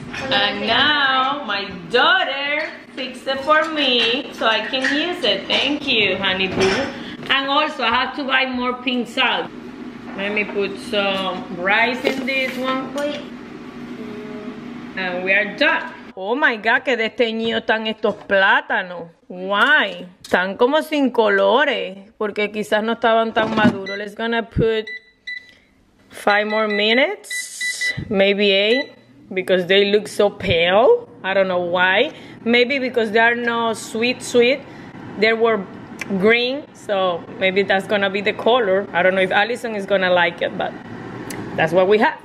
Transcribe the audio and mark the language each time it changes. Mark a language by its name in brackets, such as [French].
[English] And now my daughter fixed it for me so I can use it. Thank you, honey boo. And also I have to buy more pink salt. Let me put some rice in this one. And we are done. Oh my God, [Spanish] que desteñido están estos plátanos. [English] Why? [Spanish] Están como sin colores, porque quizás no estaban tan maduros. [English] Let's gonna put 5 more minutes, maybe 8, because they look so pale. I don't know why. Maybe because they are not sweet. They were green, so maybe that's gonna be the color. I don't know if Allison is gonna like it, but that's what we have.